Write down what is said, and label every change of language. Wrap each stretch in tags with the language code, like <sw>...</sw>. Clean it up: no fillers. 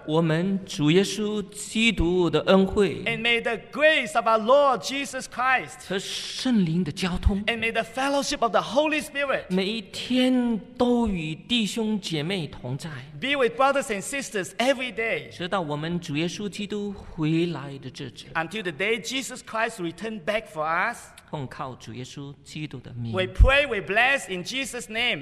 <zh>我们主耶稣基督的恩惠</zh> <en>And may the grace of our Lord Jesus Christ</en> <zh>和圣灵的交通</zh> <en>And may the fellowship of the Holy Spirit</en> <zh>每一天都与弟兄姐妹同在</zh> <en>Be with brothers and sisters every day</en> <zh>直到我们主耶稣基督回来的日子</zh> <en>Until the day Jesus Christ return back for us</en> <zh>奉靠主耶稣基督的名</zh> <en>We pray, we bless in Jesus' name</en>